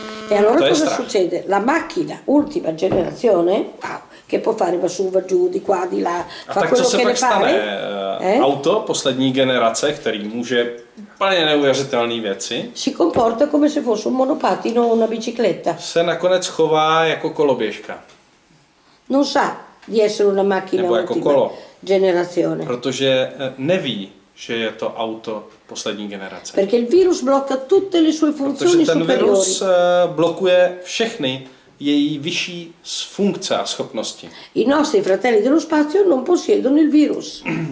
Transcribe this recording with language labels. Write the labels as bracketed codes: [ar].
[it] E allora cosa succede? La macchina ultima generazione, che può fare va su va giù di qua di là, fa quello che ne pare. [cs] Auto poslední generace, který může úplně neuvěřitelné věci. [it] Si comporta come se fosse un monopattino o una bicicletta. [cs] Se nakonec chová jako koloběžka. [it] non sa di essere una macchina ultima [cs] kolo, [it] generazione. [cs] Protože neví, že je to auto poslední generace. [it] Perché il virus blocca tutte le sue funzioni superiori. [cs] Protože ten virus blokuje všechny její vyšší funkce a schopnosti. [it] I nostri fratelli dello spazio non possiedono il virus.